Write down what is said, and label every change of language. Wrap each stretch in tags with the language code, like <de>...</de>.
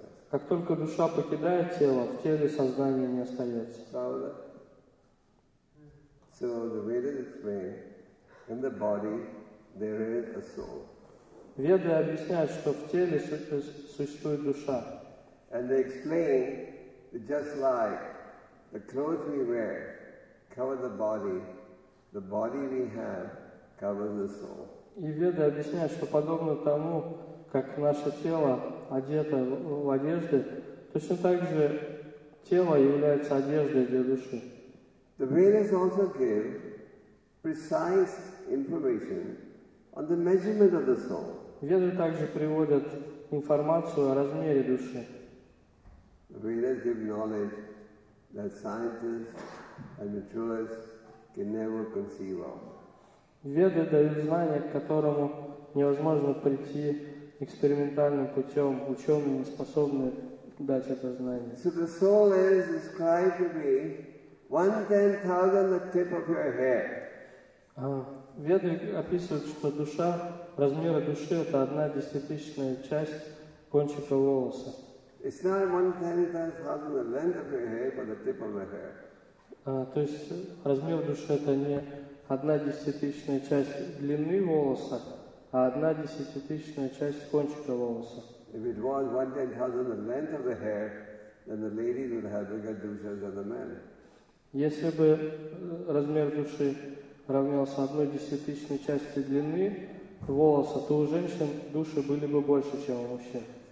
<ru>Как только душа покидает тело, в теле сознание не остается.</ru> <en>So the Vedas explain, in the body there is a soul.</en> <ru>Веды объясняют, что в теле существует душа.</ru> <en>And they explain that just like the clothes we wear cover the body we have covers the soul.</en> <ru>И веды объясняют, что подобно тому, как наше тело одето в одежды, точно так же тело является одеждой для души.</ru> <en>The Vedas also give precise information on the measurement of the soul.</en> <ru>Веды также приводят информацию о размере души.</ru> <en>The Vedas give knowledge that scientists and materialists can never conceive of.</en> <ru>Веды дают знание, к которому невозможно прийти экспериментальным путем. Ученые не способны дать это знание.</ru> <en>So the soul is described to be 1/10,000 the tip of your head.</en> <ru>Веды описывают, что душа, размеры души, это 1/10,000 часть кончика волоса.</ru> <en>It's not 1/10,000 the length of your head, but the tip of your head.</en> <ru>То есть размер души это не 1/10,000 часть длины волоса, а 1/10,000 часть кончика волоса.</ru> <en>If it was 1/10,000 the length of the hair, then the ladies would have bigger dushas than the men.</en> <ru>Если бы размер души равнялся 1/10,000 части длины волоса, то у женщин души были бы больше, чем у мужчин.</ru>